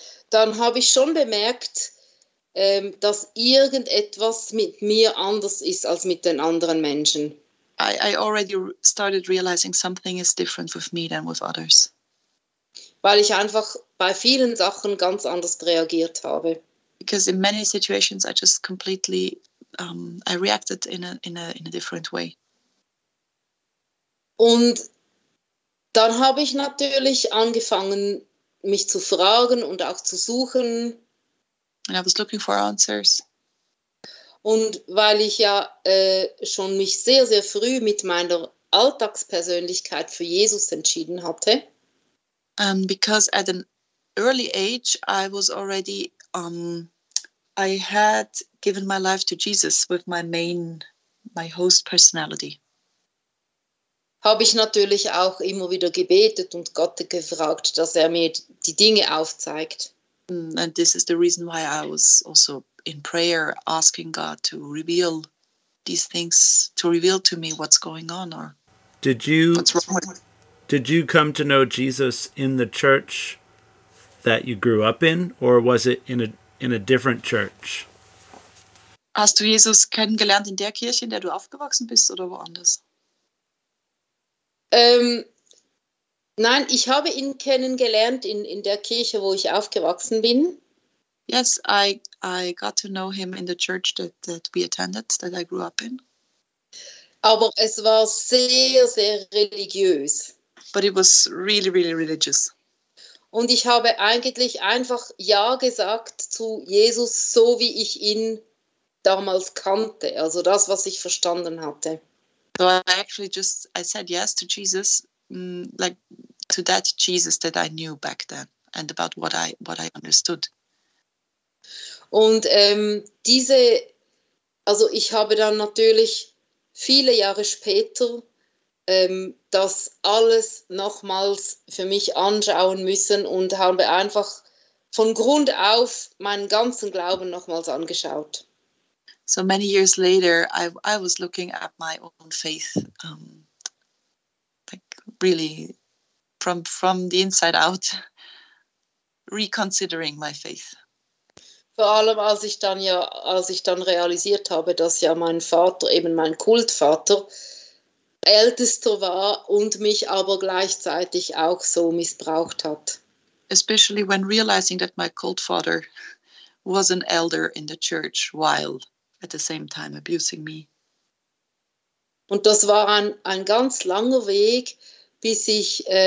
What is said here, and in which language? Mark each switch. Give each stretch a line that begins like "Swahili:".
German: Dann habe ich schon bemerkt, dass irgendetwas mit mir anders ist als mit den anderen Menschen.
English: I already started realizing something is different with me than with others.
German: Weil ich einfach bei vielen Sachen ganz anders reagiert habe.
English: Because in many situations I just completely I reacted in a different way.
German: Und dann habe ich natürlich angefangen, mich zu fragen und auch zu suchen.
English: And I was looking for answers.
German: Und weil ich ja schon mich sehr, sehr früh mit meiner Alltagspersönlichkeit für Jesus entschieden hatte.
English: Because at an early age I was already I had given my life to Jesus with my host personality. Habe ich natürlich auch immer wieder gebetet und Gott gefragt, dass er mir die Dinge aufzeigt. And this is the reason why I was also in prayer asking God to reveal these things, to reveal to me what's going on or what's wrong with me. Did you come to know Jesus in the church that you grew up in, or was it in a different church?
German: Hast du Jesus kennengelernt in der Kirche, in der du aufgewachsen bist, oder woanders? Nein, ich habe ihn kennengelernt in der Kirche, wo ich aufgewachsen bin.
English: Yes, I got to know him in the church that we attended, that I grew up in.
German: Aber es war sehr, sehr religiös.
English: But it was really, really religious.
German: Und ich habe eigentlich einfach Ja gesagt zu Jesus, so wie ich ihn damals kannte, also das, was ich verstanden hatte.
English: So I said yes to Jesus, like to that Jesus that I knew back then and about what I understood.
German: Und diese, also ich habe dann natürlich viele Jahre später das alles nochmals für mich anschauen müssen und habe einfach von Grund auf meinen ganzen Glauben nochmals angeschaut.
English: So many years later, I was looking at my own faith, like really from the inside out, reconsidering my faith.
German: Vor allem, als ich dann realisiert habe, dass ja mein Vater, eben mein Kultvater, ältester war und mich aber gleichzeitig auch so missbraucht hat.
English: Especially when realizing that my cult father was an elder in the church while at the same time abusing me.
German: Und das war ein ganz langer Weg, bis ich